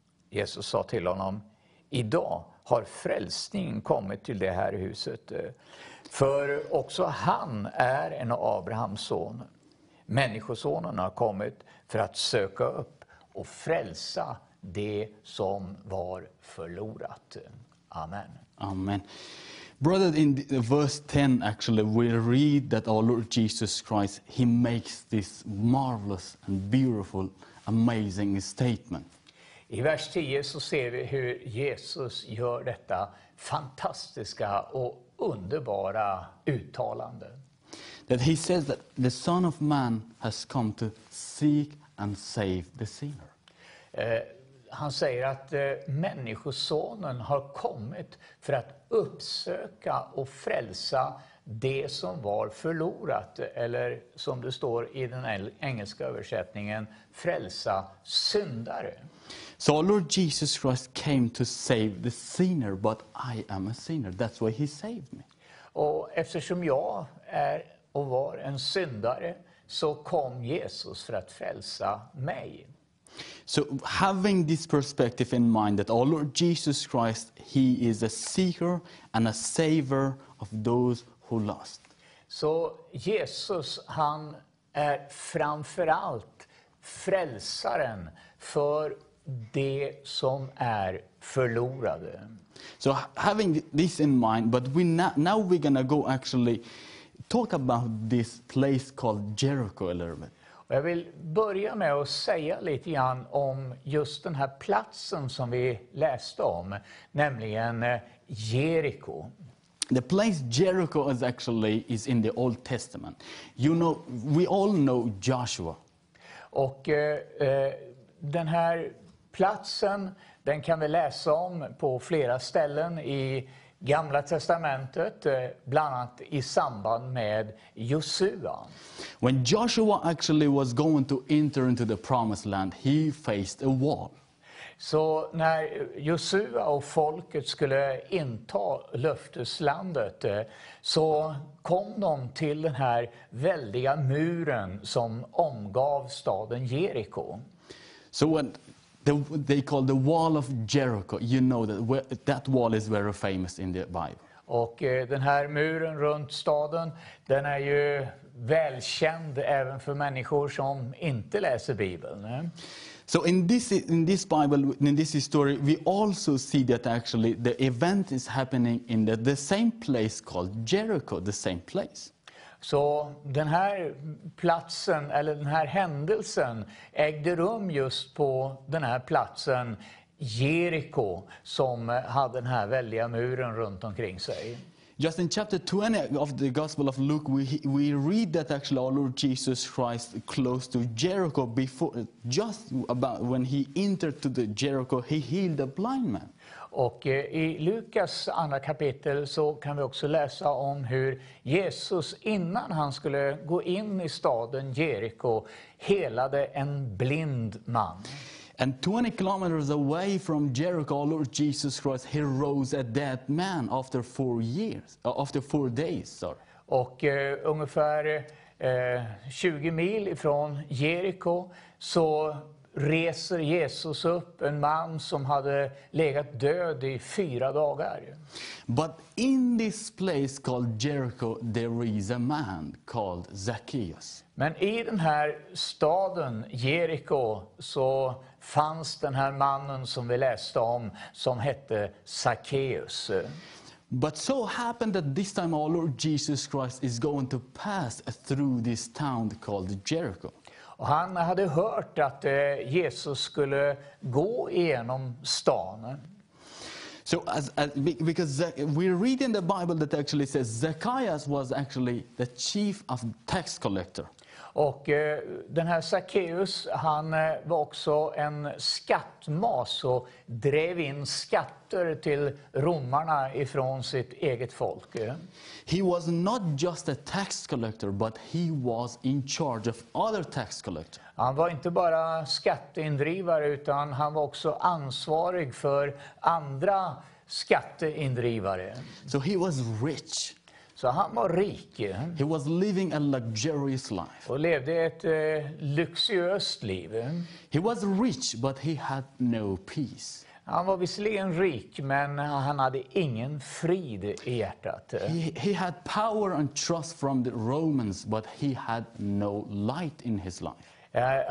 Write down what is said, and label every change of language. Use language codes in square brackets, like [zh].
[sv] Jesus sa till honom: idag har frälsningen kommit till det här huset. För också han är en Abrahams son. Människosonen har kommit för att söka upp och frälsa det som var förlorat. Amen. Amen. [en] Brother, in verse 10 actually we read that our Lord Jesus Christ, he makes this marvelous and beautiful, amazing statement. [sv] I vers 10 så ser vi hur Jesus gör detta fantastiska och underbara uttalande. [en] That he says that the Son of Man has come to seek and save the sinner. [sv] Han säger att människosonen har kommit för att uppsöka och frälsa det som var förlorat, eller som det står i den engelska översättningen, frälsa syndare. [en] So our Lord Jesus Christ came to save the sinner, but I am a sinner. That's why he saved me. [sv] Och eftersom jag är och var en syndare så kom Jesus för att frälsa mig. [en] So having this perspective in mind that our Lord Jesus Christ, he is a seeker and a saver of those who lost. [sv] Så Jesus, han är framförallt frälsaren för det som är förlorade. [en] So having this in mind, but now we're going to go actually talk about this place called Jericho a little bit. [sv] Jag vill börja med att säga lite grann om just den här platsen som vi läste om, nämligen Jeriko. [en] The place Jericho is actually is in the Old Testament. You know, we all know Joshua. [sv] Och den här platsen, den kan vi läsa om på flera ställen i Gamla testamentet, bland annat i samband med Josua. [en] When Joshua actually was going to enter into the promised land, he faced a wall. [sv] Så när Josua och folket skulle inta löfteslandet så kom de till den här väldiga muren som omgav staden Jeriko. [en] So when they call the wall of Jericho. You know that that wall is very famous in the Bible. [sv] Och den här muren runt staden, den är ju välkänd även för människor som inte läser Bibeln. [en] So in this Bible, in this story, we also see that actually the event is happening in the same place called Jericho, the same place. [sv] Så den här platsen eller den här händelsen ägde rum just på den här platsen Jeriko, som hade den här väldiga muren runt omkring sig. [en] Just in chapter 20 of the Gospel of Luke, we read that actually our Lord Jesus Christ close to Jericho before, just about when he entered to the Jericho, he healed a blind man. [sv] Och i Lukas andra kapitel så kan vi också läsa om hur Jesus innan han skulle gå in i staden Jeriko helade en blind man. [en] And 20 kilometers away from Jericho, our Lord Jesus Christ, he rose a dead man after 4 years, after 4 days, sorry. [sv] Och ungefär 20 mil ifrån Jeriko så reser Jesus upp en man som hade legat död i 4 dagar. [en] But in this place called Jericho, there is a man called Zacchaeus. [sv] Men i den här staden Jeriko så fanns den här mannen som vi läste om, som hette Zacchaeus. [en] But so happened that this time our Lord Jesus Christ is going to pass through this town called Jericho. [sv] Och han hade hört att Jesus skulle gå igenom staden. [en] So as because we read in the Bible that actually says Zacchaeus was actually the chief of tax collector. [sv] Och den här Zacchaeus, han var också en skattmas och drev in skatter till romarna ifrån sitt eget folk. [en] He was not just a tax collector, but he was in charge of other tax collectors. [sv] Han var inte bara skatteindrivare, utan han var också ansvarig för andra skatteindrivare. [en] So he was rich. [sv] Så han var rik. [en] He was living a luxurious life. [sv] Och levde ett luxuöst liv. [en] He was rich, but he had no peace. [sv] Han var visserligen rik, men han hade ingen frid i hjärtat. [en] He had power and trust from the Romans, but he had no light in his life.